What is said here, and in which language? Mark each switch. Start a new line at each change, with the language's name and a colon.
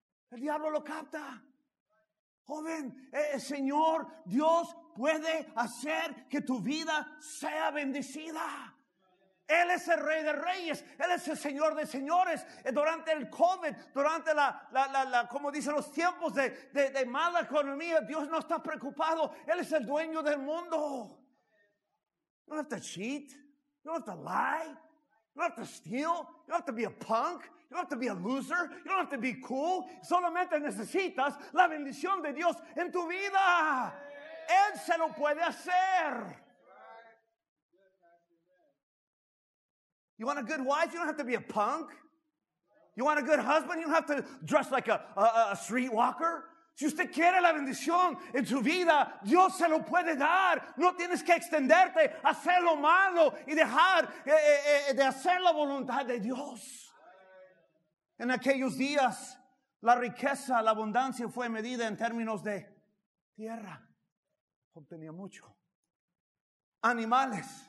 Spanish: El diablo lo capta. Joven, Señor, Dios puede hacer que tu vida sea bendecida. Él es el Rey de Reyes, Él es el Señor de Señores. Durante el COVID, durante la como dicen, los tiempos de mala economía, Dios no está preocupado. Él es el dueño del mundo.
English: You don't have to cheat, you don't have to lie, you don't have to steal, you don't have to be a punk. You don't have to be a loser. You don't have to be cool.
Spanish: Solamente necesitas la bendición de Dios en tu vida. Él se lo puede hacer.
English: You want a good wife? You don't have to be a punk. You want a good husband? You don't have to dress like a streetwalker.
Spanish: Si usted quiere la bendición en su vida, Dios se lo puede dar. No tienes que extenderte a hacer lo malo y dejar de hacer la voluntad de Dios. En aquellos días, la riqueza, la abundancia fue medida en términos de tierra. Obtenía mucho. Animales.